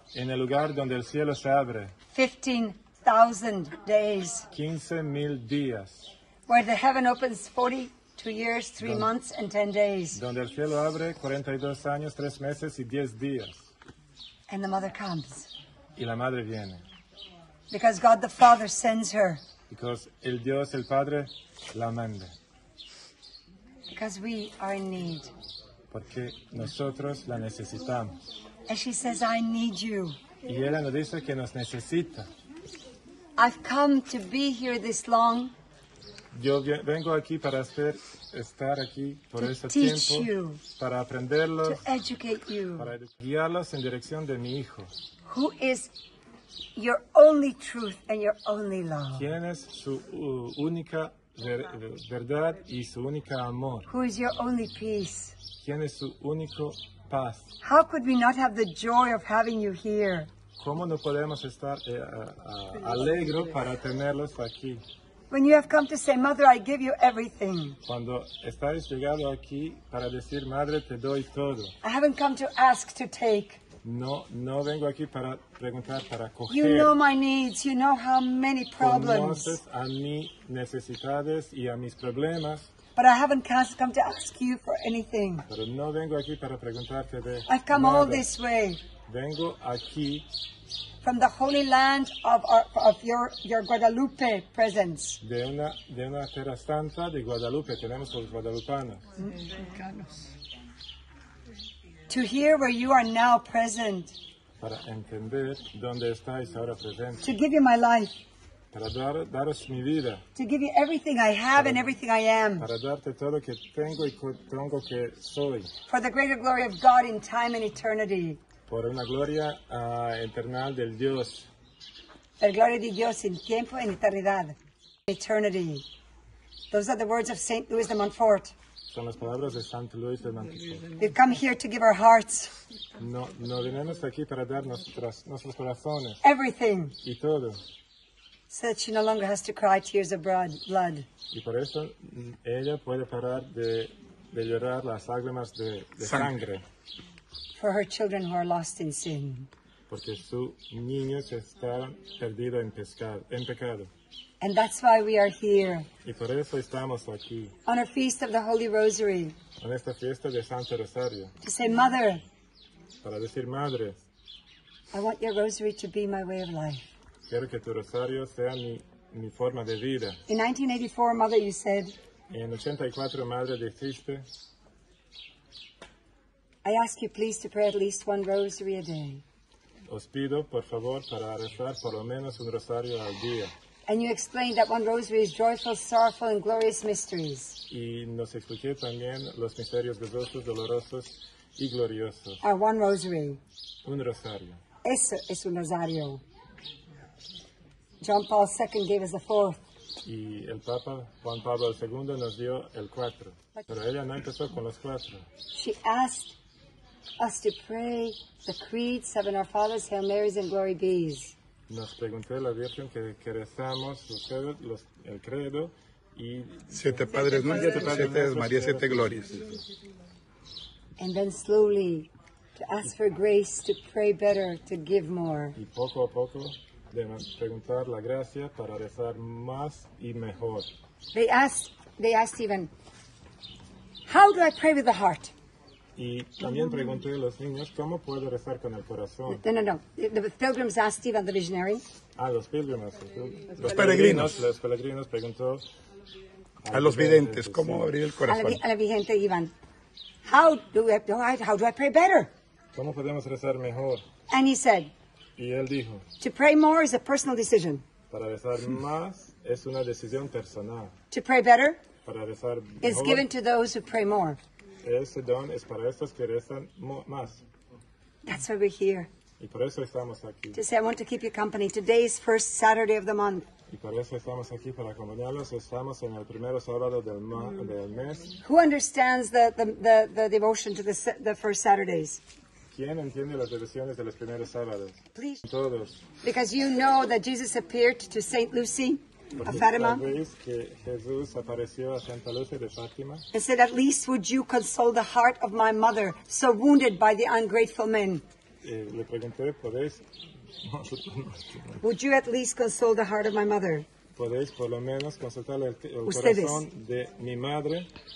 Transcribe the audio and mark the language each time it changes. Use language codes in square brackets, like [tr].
[es] En el lugar donde el cielo se abre. [en] 15,000 days. [es] 15,000 días. [en] Where the heaven opens 42 years, 3 months, and 10 days. [es] Donde el cielo abre 42 años, 3 meses y 10 días. [en] And the mother comes. [es] Y la madre viene. [en] Because God the Father sends her. Because [es] el Dios, el Padre, la manda. [en] Because we are in need. [es] Porque nosotros la necesitamos. [en] And she says, I need you. [es] Y ella nos dice que nos necesita. [en] I've come to be here this long. [es] Yo vengo aquí para hacer, estar aquí por este tiempo, [en] you, [es] para aprenderlos, [en] to educate you, [es] para guiarlos en dirección de mi Hijo. [en] Who is your only truth and your only love? [es] ¿Quién es su única verdad y su única amor? [en] Who is your only peace? [es] ¿Quién es su único paz? [en] How could we not have the joy of having you here? [es] ¿Cómo no podemos estar alegre para tenerlos aquí? [en] When you have come to say, Mother, I give you everything. [es] Cuando estáis llegado aquí para decir, Madre, te doy todo. [en] I haven't come to ask to take. [es] No vengo aquí para preguntar, para coger. [en] You know my needs. You know how many problems. [es] Conoces a mis necesidades y a mis problemas. [en] But I haven't come to ask you for anything. [es] Pero no vengo aquí para preguntarte de nada. [en] I've come all this way. [es] Vengo aquí. [en] From the holy land of your Guadalupe presence. [es] De una tierra santa de Guadalupe, tenemos los guadalupanos. [en] To hear where you are now present. [es] Para entender dónde estáis ahora presente. [en] To give you my life. [es] Para daros mi vida. [en] To give you everything I have and everything I am. [es] Para darte todo que tengo y tengo que soy. [en] For the greater glory of God in time and eternity. [es] Por una gloria eterna del Dios. La gloria de Dios en tiempo y en eternidad. [en] Eternity. Those are the words of Saint Louis de Montfort. [es] Son las palabras de Santo Luis de Montfort. [en] We've come here to give our hearts. [es] No venimos aquí para dar nuestros corazones. [en] Everything. [es] Y todo. [en] So that she no longer has to cry tears of blood. [es] Y por eso ella puede parar de llorar las lágrimas de sangre. [en] For her children who are lost in sin. [es] Porque su niño se está perdido en pecado. [en] And that's why we are here. [es] Y por eso estamos aquí. [en] On a feast of the Holy Rosary. [es] En esta fiesta de Santo Rosario. [en] To say, Mother. [es] Para decir, Madre. [en] I want your rosary to be my way of life. [es] Quiero que tu rosario sea mi forma de vida. [en] In 1984, Mother, you said. [es] En 84, Madre, dijiste. [en] I ask you please to pray at least one rosary a day. [es] Os pido, por favor, para rezar por lo menos un rosario al día. [en] And you explained that one rosary is joyful, sorrowful, and glorious mysteries. [es] Y nos expliqué también los misterios gozosos, dolorosos, y gloriosos. [en] Are one rosary. [es] Un rosario. Eso es un rosario. [en] John Paul II gave us the fourth. [es] Y el Papa Juan Pablo II nos dio el cuatro. Pero ella no empezó con los cuatro. [en] She asked us to pray the creed, seven Our Fathers, Hail Marys, and Glory Bees. [es] Nos pregunté la Virgen que rezamos el credo y siete padres, ¿no? Siete padres, siete María, siete glorias. [en] And then slowly to ask for grace to pray better, to give more. [es] Y poco a poco de preguntar la gracia para rezar más y mejor. [en] They asked even, how do I pray with the heart? [es] Y también pregunté a los niños, ¿cómo puedo rezar con el corazón? [en] No. The pilgrims asked Stephen, the visionary. [es] Ah, los [en] pilgrims. [es] Los peregrinos. Los peregrinos preguntó. A los videntes, ¿cómo abrir el corazón? A la vigente, Iván. [en] How do I pray better? [es] ¿Cómo podemos rezar mejor? [en] And he said. [es] Y él dijo. [en] To pray more is a personal decision. [es] Para rezar más es una decisión personal. [en] To pray better [es] para rezar [en] is [es] mejor. [en] Given to those who pray more. [es] Ese don es para estos que rezan más. [en] That's why we're here. [es] Y por eso estamos aquí. [en] To say, I want to keep you company. Today is first Saturday of the month. [es] Y por eso estamos aquí para acompañarlos. Estamos en el primer sábado del, del mes. [en] Who understands the devotion to the first Saturdays? [es] ¿Quién entiende las devociones de los primeros sábados? [en] Please. [es] Todos. [en] Because you know that Jesus appeared to Saint Lucy of Fatima. [es] ¿Sabéis que Jesús apareció a Santa Lucy de Fátima? [en] He said, at least would you console the heart of my mother, so wounded by the ungrateful men. [es] Le pregunté, ¿podéis? [en] Would you at least console the heart of my mother? [es] ¿Podéis por lo menos consolar el corazón de mi madre?